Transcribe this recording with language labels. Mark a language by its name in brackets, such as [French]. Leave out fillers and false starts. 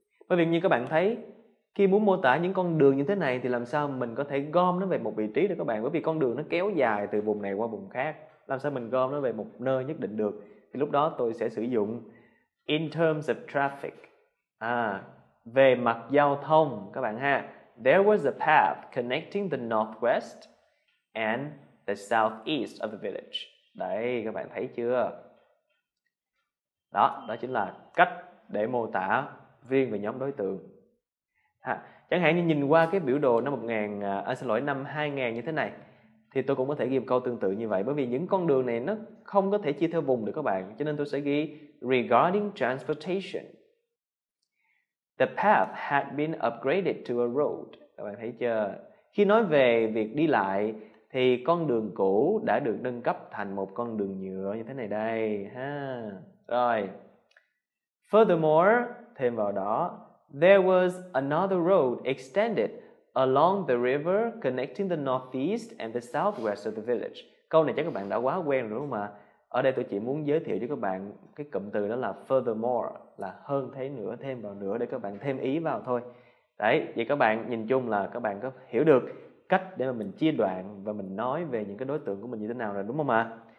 [Vietnamese] Bởi vì như các bạn thấy, khi muốn mô tả những con đường như thế này thì làm sao mình có thể gom nó về một vị trí được các bạn? Bởi vì con đường nó kéo dài từ vùng này qua vùng khác. Làm sao mình gom nó về một nơi nhất định được? Thì lúc đó tôi sẽ sử dụng [English] in terms of traffic. [Vietnamese] Về mặt giao thông các bạn ha. [English] There was a path connecting the northwest and the southeast of the village. [Vietnamese] Đấy, các bạn thấy chưa? Đó, đó chính là cách để mô tả riêng về nhóm đối tượng. Chẳng hạn như nhìn qua cái biểu đồ năm 1000, xin lỗi, năm 2000 như thế này, thì tôi cũng có thể ghi một câu tương tự như vậy, bởi vì những con đường này nó không có thể chia theo vùng được các bạn, cho nên tôi sẽ ghi [English] regarding transportation. The path had been upgraded to a road. [Vietnamese] Các bạn thấy chưa? Khi nói về việc đi lại thì con đường cũ đã được nâng cấp thành một con đường nhựa như thế này đây ha. Rồi. [English] Furthermore, [Vietnamese] thêm vào đó, [English] there was another road extended along the river connecting the northeast and the southwest of the village. [Vietnamese] Câu này chắc các bạn đã quá quen rồi đúng không ạ? Ở đây tôi chỉ muốn giới thiệu cho các bạn cái cụm từ đó là furthermore, là hơn thế nữa, thêm vào nữa để các bạn thêm ý vào thôi. Đấy, vậy các bạn nhìn chung là các bạn có hiểu được cách để mà mình chia đoạn và mình nói về những cái đối tượng của mình như thế nào rồi đúng không ạ?